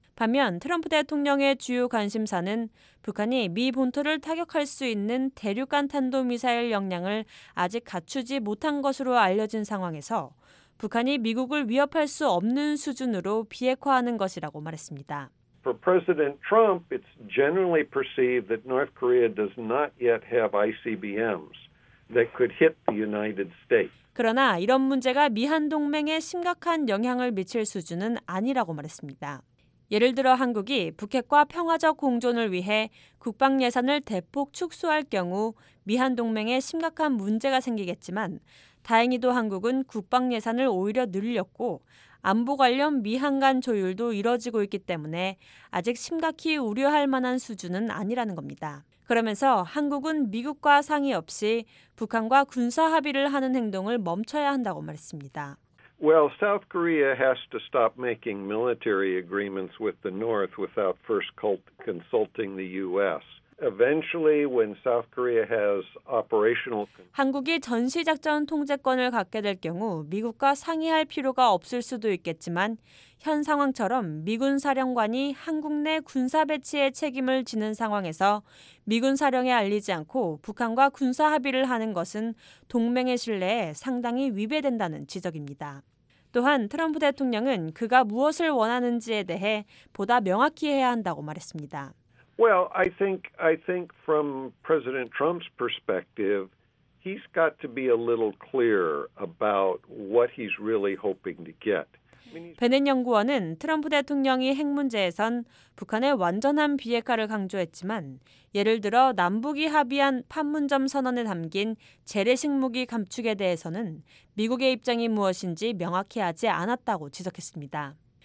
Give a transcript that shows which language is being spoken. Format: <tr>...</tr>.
<ko>반면 트럼프 대통령의 주요 관심사는 북한이 미 본토를 타격할 수 있는 대륙간 탄도미사일 역량을 아직 갖추지 못한 것으로 알려진 상황에서 북한이 미국을 위협할 수 없는 수준으로 비핵화하는 것이라고 말했습니다.</ko> <en>For President Trump, it's generally perceived that North Korea does not yet have ICBMs that could hit the United States.</en> <ko>그러나 이런 문제가 미한 동맹에 심각한 영향을 미칠 수준은 아니라고 말했습니다. 예를 들어 한국이 북핵과 평화적 공존을 위해 국방 예산을 대폭 축소할 경우 미한 동맹에 심각한 문제가 생기겠지만 다행히도 한국은 국방 예산을 오히려 늘렸고 안보 관련 미한 간 조율도 이뤄지고 있기 때문에 아직 심각히 우려할 만한 수준은 아니라는 겁니다. 그러면서 한국은 미국과 상의 없이 북한과 군사 합의를 하는 행동을 멈춰야 한다고 말했습니다.</ko> <en>Well, South Korea has to stop making military agreements with the North without first consulting the U.S. Eventually, when South Korea has operational</en> <ko>한국이 전시 작전 통제권을 갖게 될 경우 미국과 상의할 필요가 없을 수도 있겠지만 현 상황처럼 미군 사령관이 한국 내 군사 배치에 책임을 지는 상황에서 미군 사령에 알리지 않고 북한과 군사 합의를 하는 것은 동맹의 신뢰에 상당히 위배된다는 지적입니다. 또한 트럼프 대통령은 그가 무엇을 원하는지에 대해 보다 명확히 해야 한다고 말했습니다.</ko> <en>Well, I think from President Trump's perspective, he's got to be a little clearer about what he's really hoping to get.</en> <ko>베넨 연구원은 트럼프 대통령이 핵 문제에선 북한의 완전한 비핵화를 강조했지만 예를 들어 남북이 합의한 판문점 선언에 담긴 재래식 무기 감축에 대해서는 미국의 입장이 무엇인지 명확히 하지 않았다고 지적했습니다.</ko>